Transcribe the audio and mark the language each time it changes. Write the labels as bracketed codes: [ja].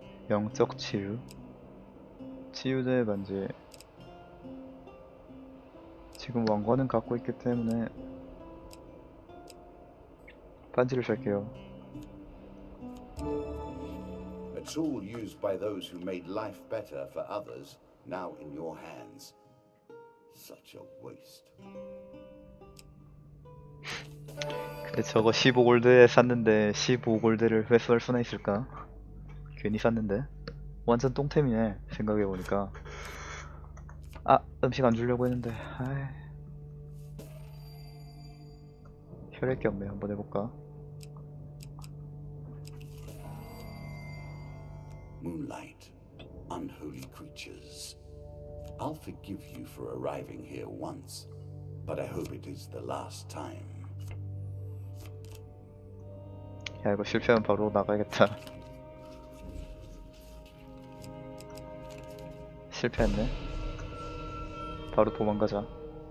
[ko] 영적 치유. 치유제 반지. 지금 왕관은 갖고 있기 때문에 반지를 살게요. [en] A tool used by those who made life better for others now in your hands. Such a waste. [ko] 근데 저거 15골드에 샀는데 15골드를 회수할 수나 있을까? 괜히 샀는데. 완전 똥템이네 생각해보니까. 아 음식 안 주려고 했는데. 아이. 혈액이 없네. 한번 해볼까. [en] Moonlight, unholy creatures. I'll forgive you for arriving here once, but I hope it is the last time. [ko] 야 이거 실패하면 바로 나가야겠다. 실패했네. 바로 도망가자.